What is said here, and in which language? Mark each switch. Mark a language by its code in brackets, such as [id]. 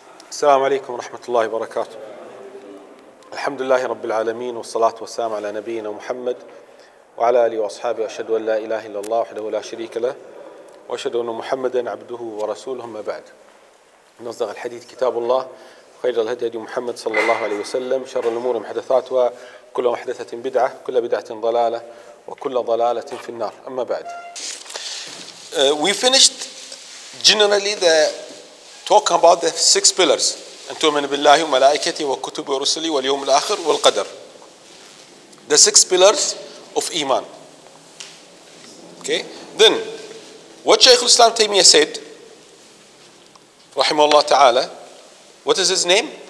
[ar] السلام عليكم ورحمة الله وبركاته. الحمد لله رب العالمين، والصلاة والسلام على نبينا محمد وعلى آله وأصحابه، وأشهد أن لا إله إلا الله وحده لا شريك له، وأشهد أن محمدا عبده ورسوله. ما بعد، نصدق الحديث كتاب الله، خير الهدي هدي محمد صلى الله عليه وسلم، شر الأمور محدثاتها، كل محدثة بدعة، كل بدعة ضلالة، وكل ضلالة في النار. أما بعد، [en] we finished generally the talking about the six pillars. [ar] أنتمن بالله وملائكته وكتبه ورسله واليوم الآخر والقدر. [en] The six pillars of إيمان. Okay. Then, what Shaykh Islam Taymiyyah said, [ar] رحمه الله تعالى. [en] What is his name?